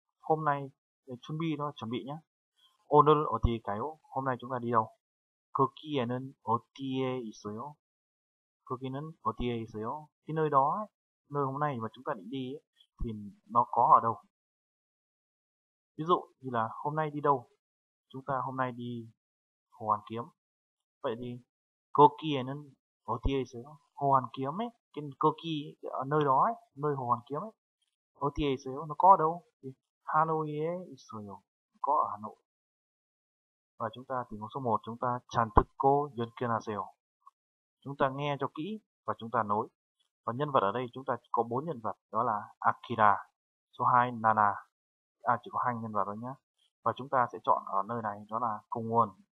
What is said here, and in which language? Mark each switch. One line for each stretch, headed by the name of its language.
Vietnamese: Hôm nay chuẩn bị đó, chuẩn bị nhé.
Korean: 오늘 어디에 가요?
Vietnamese: Hôm nay chúng ta đi đâu?
Korean: 거기에는 어디에 있어요? 거기는 어디에 있어요?
Vietnamese: Cái nơi đó, nơi hôm nay mà chúng ta định đi thì nó có ở đâu? Ví dụ như là hôm nay đi đâu? Chúng ta hôm nay đi Hồ Hoàn Kiếm. Vậy thì
Korean: 거기에는 어디에 있어요?
Vietnamese: Hồ Hoàn Kiếm ấy, cái 거기 ở nơi đó ấy, nơi Hồ Hoàn Kiếm ấy,
Korean: 어디에 있어요?
Vietnamese: Nó có ở đâu? Thì
Korean: 하노이에 있어요.
Vietnamese: Có ở Hà Nội. Và chúng ta tình huống số 1, chúng ta
Korean: 잔뜩 고 연결하세요.
Vietnamese: Chúng ta nghe cho kỹ và chúng ta nối. Và nhân vật ở đây chúng ta có 4 nhân vật, đó là Akira, số 2 Nana. À, chỉ có 2 nhân vật thôi nhé. Và chúng ta sẽ chọn ở nơi này, đó là cùng nguồn.